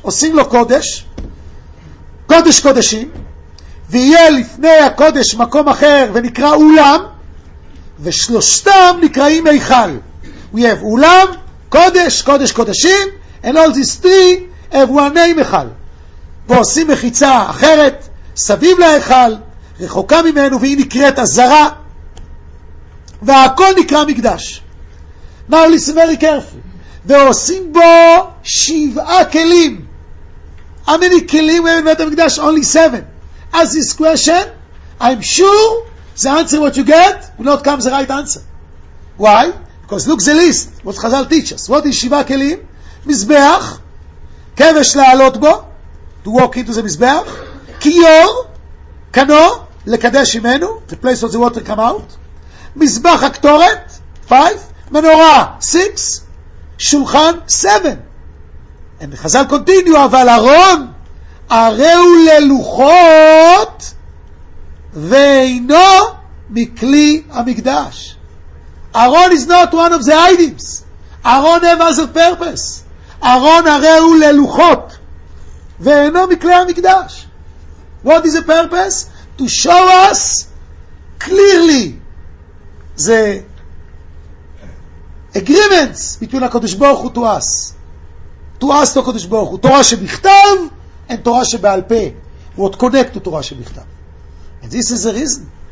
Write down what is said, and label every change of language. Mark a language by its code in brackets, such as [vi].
[he] עושים לו קודש, קודש קודשים, ויהיה לפני הקודש מקום אחר ונקרא אולם, ושלושתם נקראים מיכל. [en] We have אולם, קודש, קודש קודשים, and all these three have one name מיכל. [he] ועושים מחיצה אחרת, סביב להיכל, רחוקה ממנו, והיא נקראת עזרה, והכל נקרא מקדש. [en] Now listen very carefully. [he] ועושים בו שבעה כלים. [en] How many [he] כלים הם בבית המקדש? [en] Only seven. As this question, I'm sure the answer what you get will not come the right answer. Why? Because look the list, what Chazal teaches. What is שבעה כלים? [he] מזבח, כבש לעלות בו, [en] to walk into the [he] מזבח, כיור, כנו, לקדש ממנו, [en] the place where the water come out, [he] מזבח הקטורת, 5, מנורה, 6, שולחן, 7. [en] And Chazal continue, [he] אבל ארון, הראו ללוחות ואינו מכלי המקדש. [en] Aaron is not one of the items. Aaron have other purpose. [he] Aaron הראו ללוחות ואינו מכלי המקדש. [en] What is the purpose? To show us clearly the agreements between הקדוש ברוך הוא to us. To us to הקדוש ברוך הוא. תורה שבכתב and Torah שבעל פה, what connect to Torah שבכתב. And this is the reason.